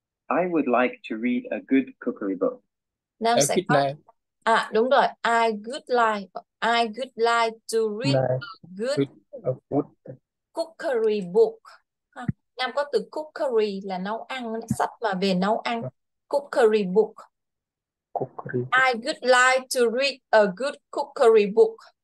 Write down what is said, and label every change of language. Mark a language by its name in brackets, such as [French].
[English] I would like to read a good cookery book. [Vietnamese] Nam sẽ có. À, đúng rồi. [English] I would like to read a good cookery book. [Vietnamese] Nam có từ cookery là nấu ăn, sách mà về nấu ăn. [English] Cookery book. I would like to read a good cookery book.